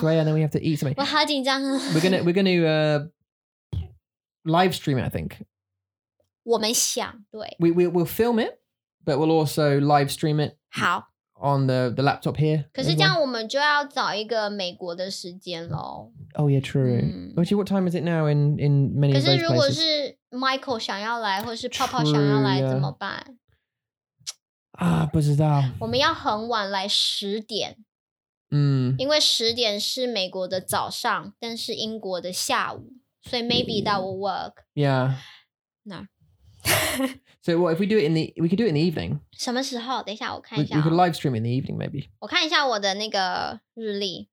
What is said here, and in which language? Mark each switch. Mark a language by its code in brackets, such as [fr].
[en] So yeah, then we have to eat something. [zh] 我好緊張啊. [en] We're going to live stream it, I think. [zh] 我们想, [en] we'll film it, but we'll also live stream it. How? On the laptop here. [zh] 可是这样我们就要找一个美国的时间喽. [en] Oh yeah, true. Actually, what time is it now in many of those places? [zh] 可是如果是 Michael 想要来，或是泡泡想要来，怎么办？啊，不知道。我们要很晚来10点。因为10点是美国的早上， 但是英国的下午， 所以 [en] maybe that will work. Yeah. No. So what if we do it in the, we could do it in the evening. [zh] 什么时候?等一下我看一下。 [en] We could live stream in the evening maybe. [zh] 我看一下我的那个日历。